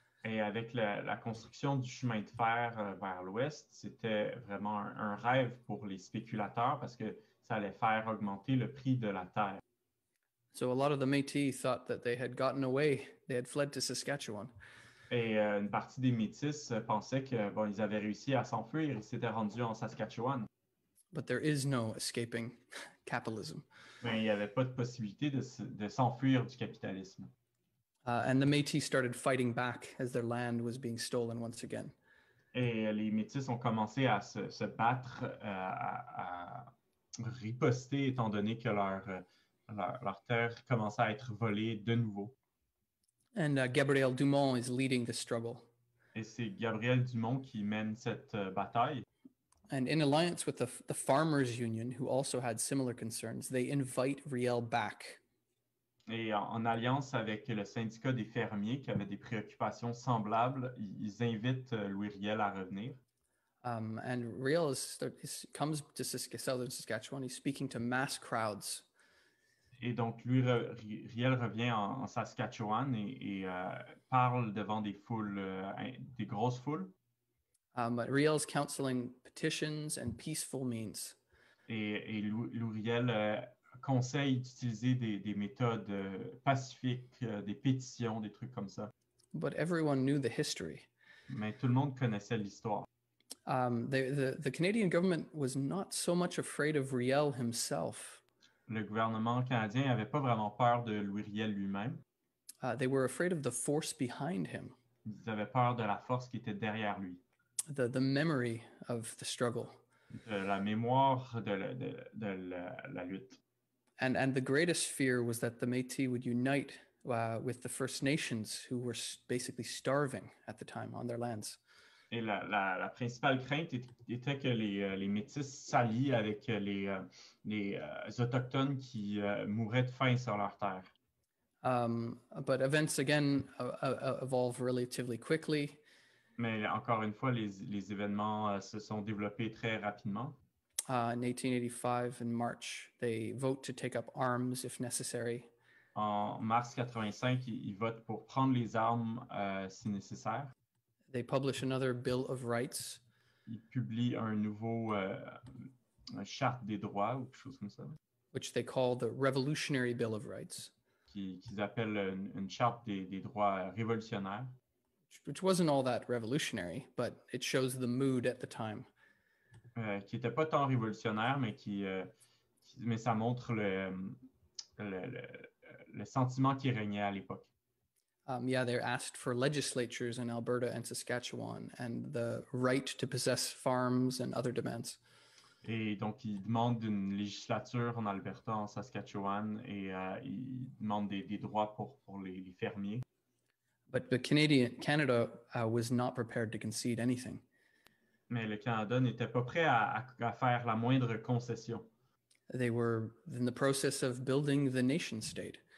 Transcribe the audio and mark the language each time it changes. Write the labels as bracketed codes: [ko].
[fr] Et avec la construction du chemin de fer vers l'ouest, c'était vraiment un rêve pour les spéculateurs parce que ça allait faire augmenter le prix de la terre. [en] So a lot of the Métis thought that they had gotten away. They had fled to Saskatchewan. [fr] Et une partie des Métis pensaient que bon, ils avaient réussi à s'enfuir, ils s'étaient rendus en Saskatchewan. [en] But there is no escaping capitalism. [fr] Mais il n'y avait pas de possibilité de s'enfuir du capitalisme. [en] And the Métis started fighting back as their land was being stolen once again. [fr] Et les Métis ont commencé à se battre, à riposter, étant donné que leur terre commençait à être volée de nouveau. [en] And Gabriel Dumont is leading the struggle. [fr] Et c'est Gabriel Dumont qui mène cette bataille. [en] And in alliance with the Farmers Union, who also had similar concerns, they invite Riel back. [fr] Et en alliance avec le syndicat des fermiers, qui avait des préoccupations semblables, ils invitent Louis Riel à revenir. [en] And Riel comes to southern Saskatchewan, he's speaking to mass crowds. [fr] Et donc, lui, Riel revient en Saskatchewan et parle devant des foules, des grosses foules. [en] But Riel's counseling petitions and peaceful means. [fr] Et Louis Riel conseille d'utiliser des méthodes pacifiques, des pétitions, des trucs comme ça. [en] But everyone knew the history. [fr] Mais tout le monde connaissait l'histoire. [en] The Canadian government was not so much afraid of Riel himself. [fr] Le gouvernement canadien n'avait pas vraiment peur de Louis Riel lui-même. [en] They were afraid of the force behind him. [fr] Ils avaient peur de la force qui était derrière lui. [en] The memory of the struggle. [fr] De la mémoire de la lutte. [en] And the greatest fear was that the Métis would unite with the First Nations who were basically starving at the time on their lands. [fr] Et la principale crainte était que les Métis s'allient avec les autochtones qui mouraient de faim sur leur terre. [en] But events again evolve relatively quickly. [fr] Mais encore une fois, les événements se sont développés très rapidement. [en] In 1885, in March, they vote to take up arms if necessary. [fr] En mars 85, ils votent pour prendre les armes si nécessaire. [en] They publish another Bill of Rights. [fr] Ils publient un nouveau charte des droits ou quelque chose comme ça. [en] Which they call the Revolutionary Bill of Rights. [fr] Qu'ils appellent une charte des droits révolutionnaires. [en] Which wasn't all that revolutionary, but it shows the mood at the time. [fr] Qui n'était pas tant révolutionnaire, mais ça montre le sentiment qui régnait à l'époque. [en] They asked for legislatures in Alberta and Saskatchewan and the right to possess farms and other demands. [fr] Et donc, ils demandent une législature en Alberta, en Saskatchewan, et ils demandent des droits pour les fermiers. [en] But the Canada was not prepared to concede anything. [fr] Mais le Canada n'était pas prêt à faire la moindre concession. [en] They were in the process of building the nation state.